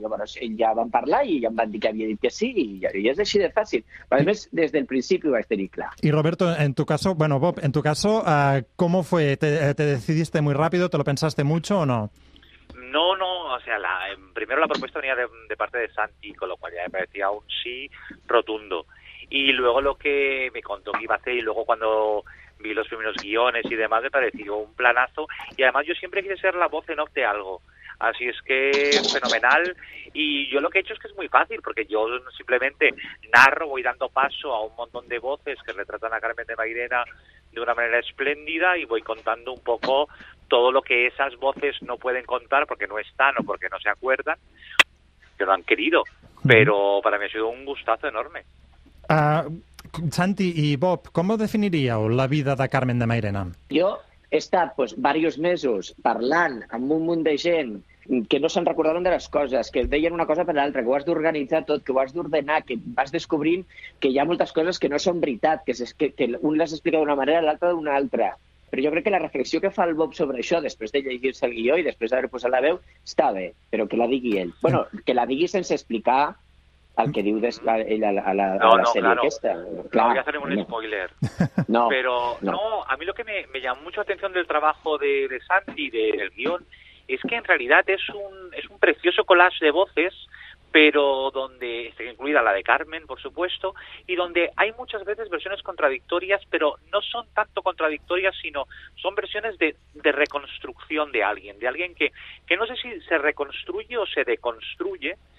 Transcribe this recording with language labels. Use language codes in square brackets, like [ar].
[ca] Llavors ja vam parlar i ja em van dir que havia dit que sí, i és així de fàcil. A més, des del principi ho vaig tenir clar. [es] I Roberto, en tu caso, bueno, Bob, en tu caso, ¿cómo fue? ¿Te decidiste muy rápido? ¿Te lo pensaste mucho o no? No, o sea, primero la propuesta venía de parte de Santi, con lo cual ya me parecía un sí rotundo. Y luego lo que me contó que iba a hacer, y luego cuando vi los primeros guiones y demás, me pareció un planazo. Y además yo siempre quise ser la voz en off de algo. Así es que es fenomenal. Y yo lo que he hecho es que es muy fácil, porque yo simplemente narro, voy dando paso a un montón de voces que retratan a Carmen de Mairena de una manera espléndida y voy contando un poco todo lo que esas voces no pueden contar porque no están o porque no se acuerdan, que no han querido. Pero para mí ha sido un gustazo enorme. [ca] Santi i Bob, com definiríeu la vida de Carmen de Mairena? Jo he estat, pues, varios mesos parlant amb un munt de gent que no se'n recordaven de les coses, que deien una cosa per l'altra, que ho has d'organitzar tot, que ho has d'ordenar, que vas descobrint que hi ha moltes coses que no són veritat, que un les explica d'una manera, l'altra d'una altra. Però jo crec que la reflexió que fa el Bob sobre això, després de llegir-se el guió i després d'haver posat la veu, està bé, però que la digui ell. Bueno, que la digui sense explicar el que diu ell a la sèrie aquesta. Clar, no, ja serem un spoiler. No. Però no, [es] a mi lo que me llama mucho atención del trabajo de Santi, del guión, es que en realidad es un precioso collage de voces, pero donde está incluida la de Carmen, por supuesto, y donde hay muchas veces versiones contradictorias, pero no son tanto contradictorias, sino son versiones de reconstrucción de alguien que no sé si se reconstruye o se deconstruye,